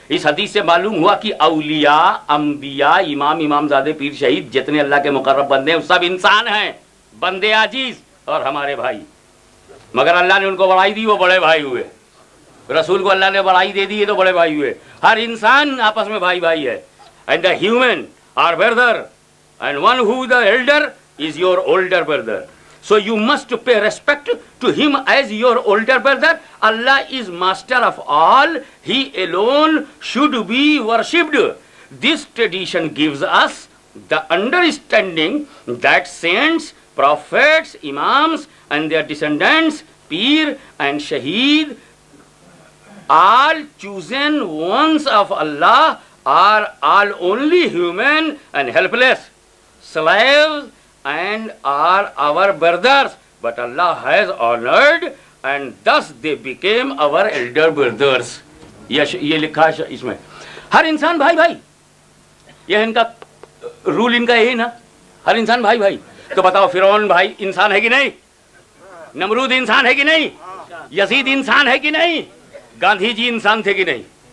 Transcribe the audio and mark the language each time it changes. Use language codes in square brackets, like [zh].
[hi] इस हदीस से मालूम हुआ कि औलिया, अंबिया, इमाम, इमामजादे, पीर, शहीद, जितने अल्लाह के मुकर्रब बंदे हैं, सब इंसान हैं, बंदे आजीज और हमारे भाई, मगर अल्लाह ने उनको बढ़ाई दी, वो बड़े भाई हुए। रसूल को अल्लाह ने बढ़ाई दे दी, ये तो बड़े भाई हुए। हर इंसान आपस में भाई भाई है, [en] And the human are brother, and one who the elder is your older brother, so you must pay respect to him as your older brother. Allah is master of all, he alone should be worshipped. This tradition gives us the understanding that saints, prophets, imams and their descendants, peer and shaheed, all chosen ones of Allah, are all only human and helpless slaves and are our brothers, but Allah has honored and thus they became our elder brothers. [hi] ये लिखा है इसमें, हर इंसान भाई भाई, यह इनका rule, इनका यही ना, हर इंसान भाई भाई। तो बताओ फिरौन भाई इंसान है कि नहीं? नमरूद इंसान है कि नहीं? यजीद इंसान है कि नहीं? गांधी जी इंसान थे कि नहीं?